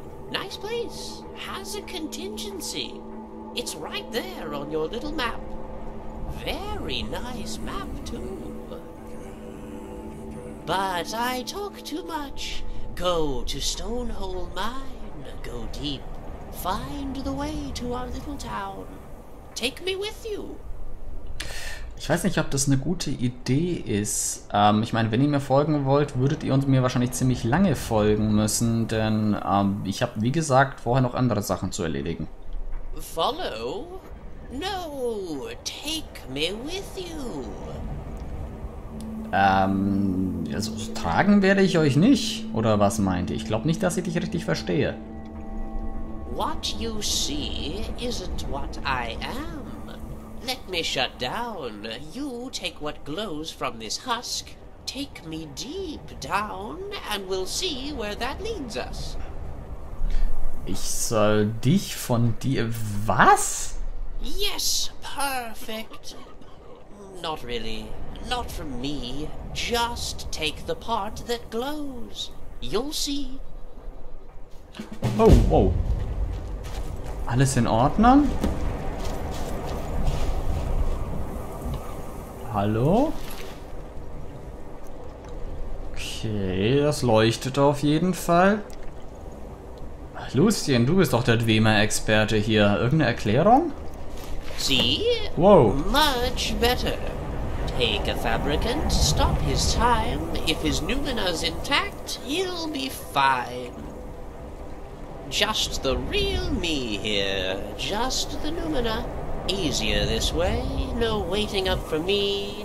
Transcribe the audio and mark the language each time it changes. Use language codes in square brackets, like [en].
[en] Nice place, has a contingency. It's right there on your little map. Very nice map, too. But I talk too much. Go to Stonehole Mine. Go deep. Find the way to our little town. Take me with you. [de] Ich weiß nicht, ob das eine gute Idee ist. Ich meine, wenn ihr mir folgen wollt, würdet ihr uns mir wahrscheinlich ziemlich lange folgen müssen, denn ich habe, wie gesagt, vorher noch andere Sachen zu erledigen. [en] Follow? No, take me with you. [de] Also tragen werde ich euch nicht, oder was meint ihr? Ich glaube nicht, dass ich dich richtig verstehe. [en] What you see isn't what I am. Let me shut down. You take what glows from this husk. Take me deep down and we'll see where that leads us. [de] Ich soll dich von dir... Was? [en] Yes, perfect. Not really. Not from me. Just take the part that glows. You'll see. [de] Oh, oh. Alles in Ordnung? Hallo? Okay, das leuchtet auf jeden Fall. Lucien, du bist doch der Dwemer-Experte hier. Irgendeine Erklärung? [en] See? Wow. Much better. Take a fabricant, stop his time. If his Numina's intact, he'll be fine. Just the real me here. Just the Numina. Easier this way. No waiting up for me.